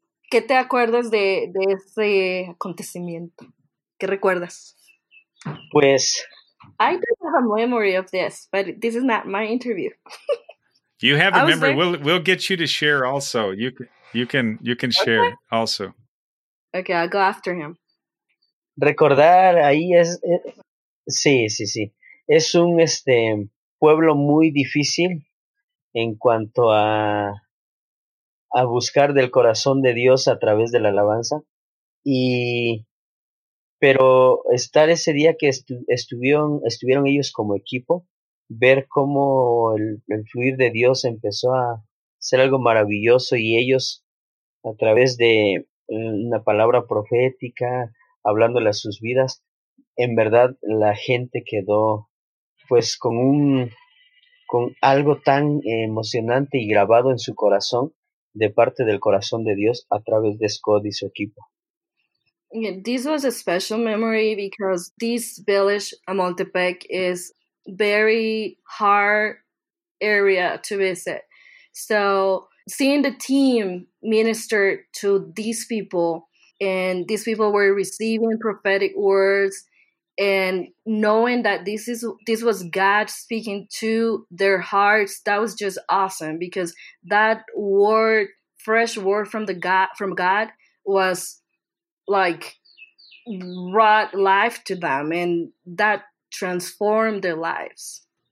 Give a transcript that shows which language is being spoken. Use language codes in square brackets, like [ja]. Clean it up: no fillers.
[es] ¿Qué te acuerdas de ese acontecimiento? ¿Qué recuerdas? Pues [en] I don't have a memory of this, but this is not my interview. You have a memory. There. We'll get you to share also. You can share also. Okay, I'll go after him. [es] Recordar ahí es sí. Es un pueblo muy difícil en cuanto a buscar del corazón de Dios a través de la alabanza. Y pero estar ese día que estuvieron ellos como equipo, ver cómo el fluir de Dios empezó a ser algo maravilloso y ellos a través de una palabra profética, hablándole a sus vidas, en verdad la gente quedó pues con algo tan emocionante y grabado en su corazón, de parte del corazón de Dios a través de Scott y su equipo. [en] This was a special memory because this village, Amoltepec, is very hard area to visit. So seeing the team minister to these people, and these people were receiving prophetic words, and knowing that this was God speaking to their hearts, that was just awesome, because that word, fresh word from God, was like brought life to them, and that transformed their lives.